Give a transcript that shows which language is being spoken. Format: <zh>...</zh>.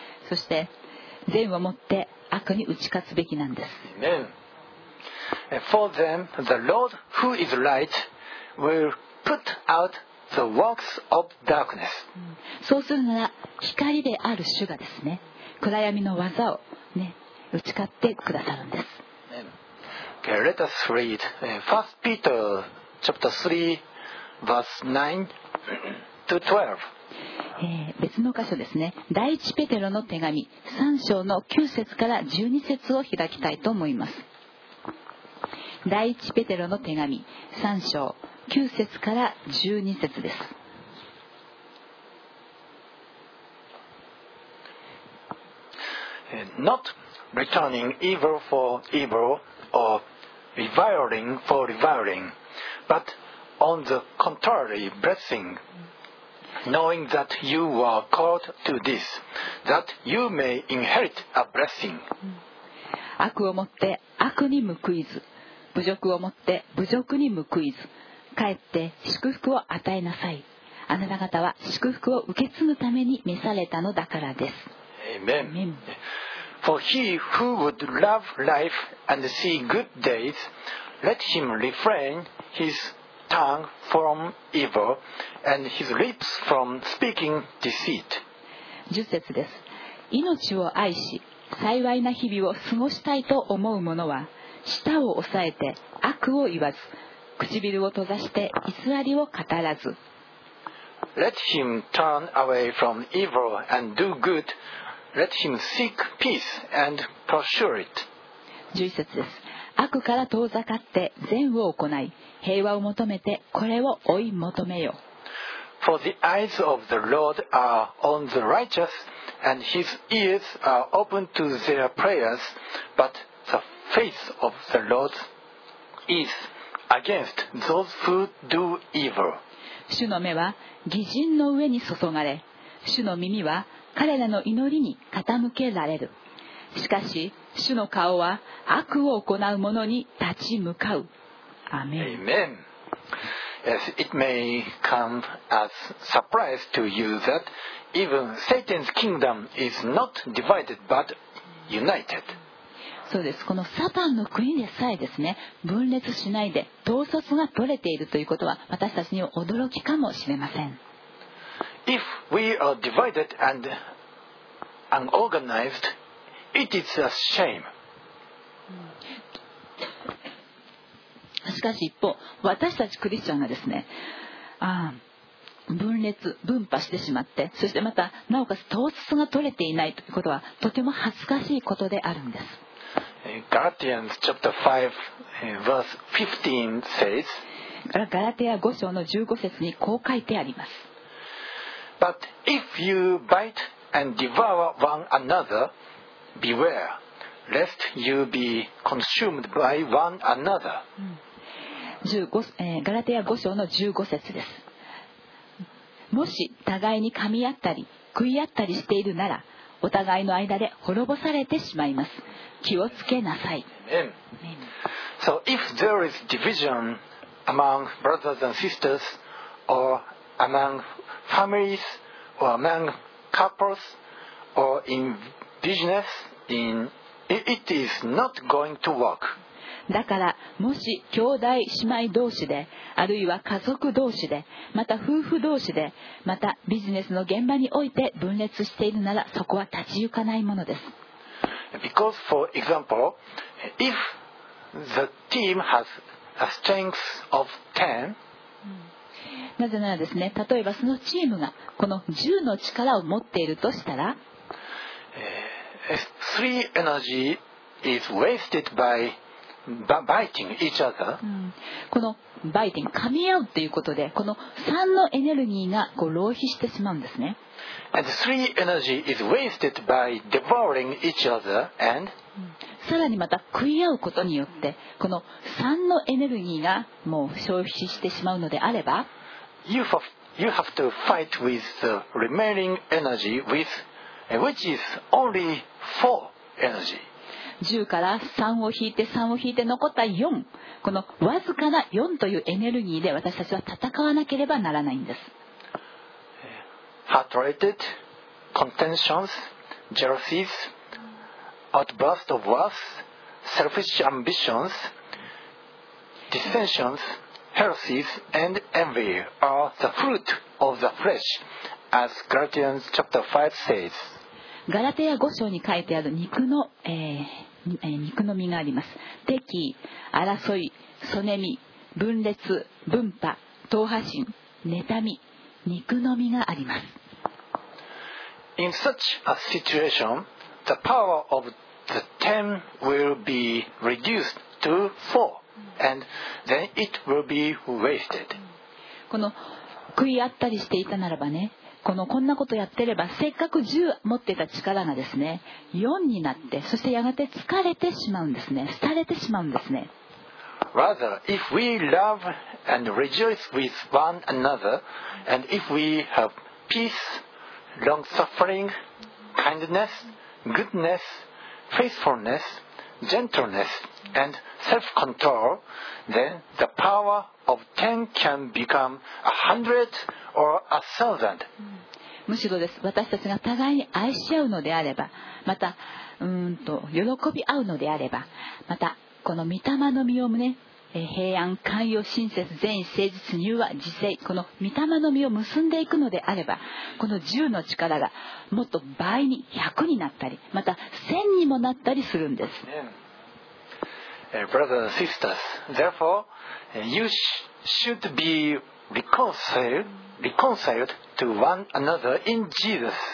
<ja>そして善をもって悪に打ち勝つべきなんです。</ja> <en>Amen. For them, the Lord who is light will put out the works of darkness.</en> <ja>そうするなら光である主がですね、暗闇の技をね、打ち勝ってくださるんです。</ja> <en>Okay, let us read 1 Peter chapter 3 verse 9 to 12.</en> <ja>別の箇所ですね、第一ペテロの手紙3章の9節から12節を開きたいと思います。第一ペテロの手紙3章9節から12節です。</ja> <en>Not returning evil for evil or reviling for reviling, but on the contrary blessing, knowing that you were called to this, that you may inherit a blessing.</en> <ja>悪をもって悪に報いず、侮辱をもって侮辱に報いず、かえって祝福を与えなさい。あなた方は祝福を受け継ぐために召されたのだからです。</ja> <en>Amen. Amen. For he who would love life and see good days, let him refrain his tongue from evil and his lips from speaking deceit.</en> <ja>十節です。命を愛し幸いな日々を過ごしたいと思う者は、舌を抑えて悪を言わず、唇を閉ざして偽りを語らず。</ja> <en>Let him turn away from evil and do good. Let him seek peace and pursue it.</en> <ja>十節です。悪から遠ざかって善を行い、平和を求めてこれを追い求めよ。</ja> <en>For the eyes of the Lord are on the righteous, and his ears are open to their prayers, but the face of the Lord is against those who do evil.</en> <ja>主の目は義人の上に注がれ、主の耳は彼らの祈りに傾けられる。しかし主の顔は悪を行う者に立ち向かう。</ja> <en>Amen. Amen. Yes, it may come as surprise to you that even Satan's kingdom is not divided but united.</en> <ja>そうです。このサタンの国でさえですね、分裂しないで統率が取れているということは私たちには驚きかもしれません。</ja> <en>If we are divided and unorganized, it is a shame.</en> <ja>しかし一方、私たちクリスチャンがですね、分裂分派してしまって、そしてまたなおかつ統率が取れていないということはとても恥ずかしいことであるんです。</ja> <en>ガラティアンズチャプター5 verse 15 says、</en> <ja>ガラティア5章の15節にこう書いてあります。</ja> <en>But if you bite and devour one another, beware lest you be consumed by one another.</en> <ja>ガラテヤ5章の15節です。もし互いに噛み合ったり食い合ったりしているなら、お互いの間で滅ぼされてしまいます。気をつけなさい。</ja> <en>Amen. So if there is division among brothers and sisters, or among families, or among couples, or in business, it is not going to work.</en> <ja>だからもし兄弟姉妹同士で、あるいは家族同士で、また夫婦同士で、またビジネスの現場において分裂しているなら、そこは立ち行かないものです。</ja> <en>Because for example, if the team has a strength of 10,</en> <ja>なぜならですね、例えばそのチームがこの10の力を持っているとしたら、</ja> <en>3 energy is wasted by biting each other.</en> <ja>このバイティング、噛み合うということで、この3のエネルギーがこう浪費してしまうんですね。</ja> <en>And 3 energy is wasted by devouring each other and</en> <ja>さらにまた食い合うことによって、この3のエネルギーがもう消費してしまうのであれば、</ja> <en>You have to fight with the remaining energy with which is only 4 energy.</en> <ja>10から3を引いて3を引いて残った4、このわずかな4というエネルギーで私たちは戦わなければならないんです。</ja> <en>Heart-related contentions, jealousies, outburst of wrath, selfish ambitions, dissensions. Heresies and envy are the fruit of the flesh, as Galatians chapter 5 says.</en> <ja>ガラテヤ5章に書いてある肉の、肉の実があります。敵、争い、そねみ、分裂、分派、党派心、妬み、肉の実があります。</ja> <en>In such a situation, the power of the ten will be reduced to four. And then it will be wasted.</en> <ja>この食い合ったりしていたならばね、このこんなことやってれば、せっかく10持ってた力がですね、4になって、そしてやがて疲れてしまうんですね、廃れてしまうんですね。</ja> <en>Rather, if we love and rejoice with one another, and if we have peace, long-suffering, kindness, goodness, faithfulness, gentlessand self-control, then the power of ten can become a hundred or a thousand.</en> <ja>むしろです。私たちが互いに愛し合うのであれば、また喜び合うのであれば、またこの御霊の実をね、平安、寛容、親切、善意、誠実、柔和、自制、この御霊の実を結んでいくのであれば、この十の力がもっと倍に、100になったり、また1000にもなったりするんです。</ja> <en>Yeah. Brothers and sisters, therefore, you should be reconciled to one another in Jesus.</en>